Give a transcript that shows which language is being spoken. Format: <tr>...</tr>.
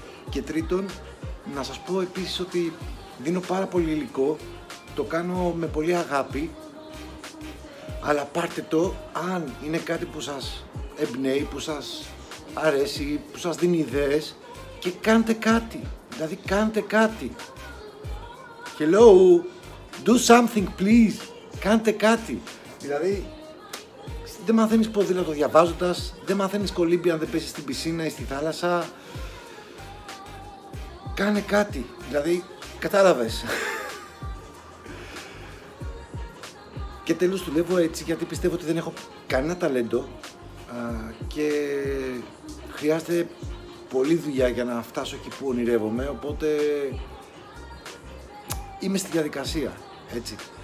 <el>Και τρίτον, να σας πω επίσης ότι δίνω πάρα πολύ υλικό, το κάνω με πολύ αγάπη, αλλά πάρτε το αν είναι κάτι που σας εμπνέει, που σας αρέσει, που σας δίνει ιδέες, και κάντε κάτι, δηλαδή κάντε κάτι.</el> <en>Hello, do something please,</en> <el>κάντε κάτι. Δηλαδή, δεν μαθαίνεις ποδήλατο διαβάζοντας, δεν μαθαίνεις κολύμπι αν δεν πέσεις στην πισίνα ή στη θάλασσα. Κάνε κάτι, δηλαδή, κατάλαβες. Και τέλος δουλεύω έτσι γιατί πιστεύω ότι δεν έχω κανένα ταλέντο και χρειάζεται πολλή δουλειά για να φτάσω εκεί που ονειρεύομαι, οπότε είμαι στη διαδικασία, έτσι.</el>